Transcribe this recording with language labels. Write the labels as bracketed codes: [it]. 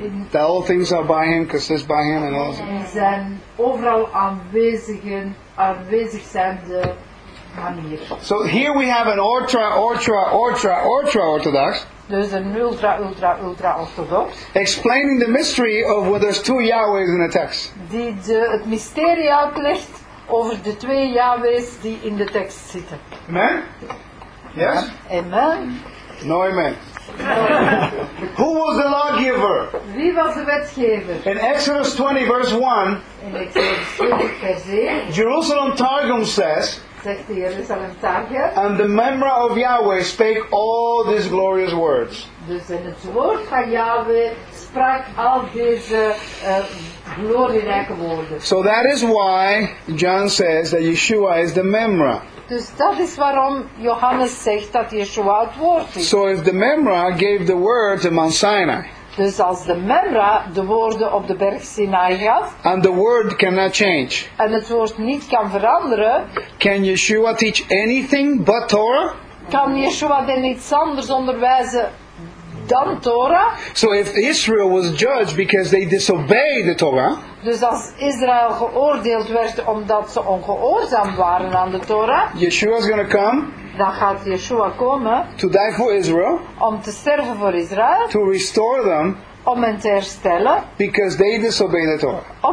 [en] That all things are by him, consist by him, and all. [nl] Zijn overal aanwezig zijn de manier. [en] So here we have an ultra orthodox. [nl] Dus een ultra orthodox. [en] Explaining the mystery of whether there's two Yahwehs in the text. [nl] Die het mysterie uitlegt over de twee Yahwehs die in de tekst zitten. [en] Amen. Yes. [nl] Amen. [en] No amen. Who was the lawgiver? [nl] Wie was de wetgever? [en] In Exodus 20 verse 1, in Exodus 20 verse 1, Jerusalem Targum says, [nl] zegt de Jerusalem Targum, [en] and the Memra of Yahweh spake all these glorious words. [nl] Dus in het woord van Yahweh sprak al deze glorierijke woorden. [en] So that is why John says that Yeshua is the Memra. [nl] Dus dat is waarom Johannes zegt dat Yeshua het woord is. [en] So if the Memra gave the word to Mount Sinai. [nl] Dus als de Memra de woorden op de berg Sinai gaf. [en] And the word cannot change. [nl] En het woord niet kan veranderen. [en] Can Yeshua teach anything but Torah? [nl] Kan Yeshua dan iets anders onderwijzen dan Torah? [en] So if Israel was judged because they disobeyed the Torah. [nl] Dus als Israël geoordeeld werd omdat ze ongehoorzaam waren aan de Torah. [en] Yeshua is going to come. [nl] Dan gaat Yeshua komen. [en] To die for Israel. [nl] Om te sterven voor Israël. [en] To restore them. [nl] Om hen te herstellen. [en] Because they disobeyed the Torah.